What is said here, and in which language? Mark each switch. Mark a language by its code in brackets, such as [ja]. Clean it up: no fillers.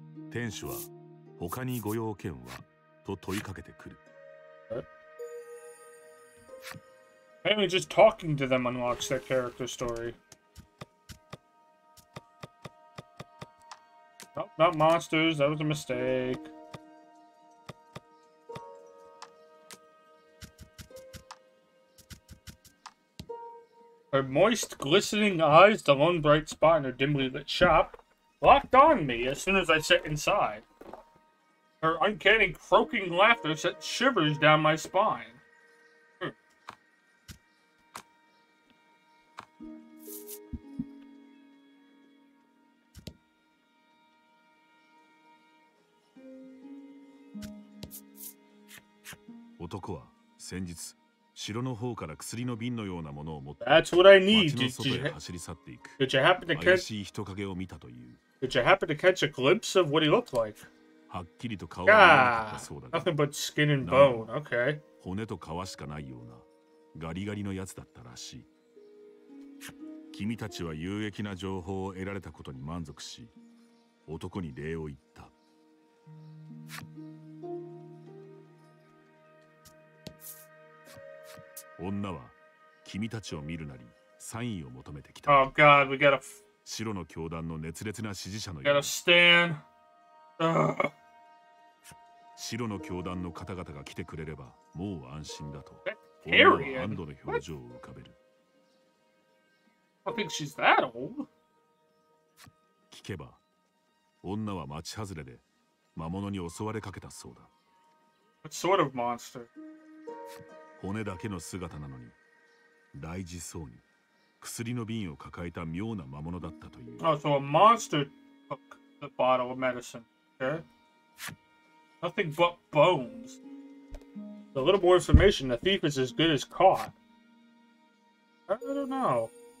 [ja] 店主は他にご用件はと問いかけてくる。 [en] Maybe just talking to them unlocks their character story. Nope, not monsters. That was a mistake. Her moist, glistening eyes, the lone bright spot in her dimly lit shop, locked on me as soon as I sat inside. Her uncanny, croaking laughter sent shivers down my spine. [ja] Otoko wa, 先日城の方から薬の瓶のようなものを持って [en] That's what I need. [ja] 街の外へ走り去っていく。怪しい人影を見たという。 [en] Did you happen to catch a glimpse of what he looked like? [ja] はっきりと顔は見えなかったそうだが、 [en] Nothing but skin and bone. Okay. [ja] 骨と皮しかないようなガリガリのやつだったらしい。君たちは有益な情報を得られたことに満足し、男に礼を言った。女は君たちを見るなりサインを求めてきた。 [en] Oh God, we got a [ja] 白の教団の熱烈な支持者のように。 [en] Got a stand. [ja] 白の教団の方々が来てくれればもう安心だと。女は安堵の表情を浮かべる。 [en] I think she's that old. [ja] 聞けば女は町外れで魔物に襲われかけたそうだ。 [en] What sort of monster? [ja] 骨だけの姿なのに、大事そうに薬の瓶を抱えた妙な魔物だったという。 [en] Oh, so a monster took the bottle of medicine. Okay. Nothing but bones. A little more information. The thief is as good as caught. I don't know.